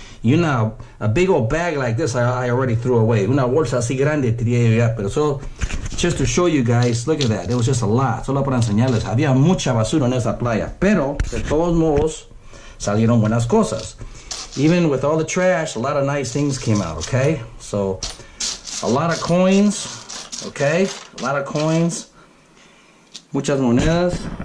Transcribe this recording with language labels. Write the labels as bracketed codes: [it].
[en] You know, a big old bag like this I already threw away. [es] Una bolsa así grande tiré ya, pero eso... [en] Just to show you guys, look at that. It was just a lot. [es] Solo para enseñarles. Había mucha basura en esa playa. Pero, de todos modos, salieron buenas cosas. [en] Even with all the trash, a lot of nice things came out, okay? So, a lot of coins, okay? A lot of coins. [es] Muchas monedas.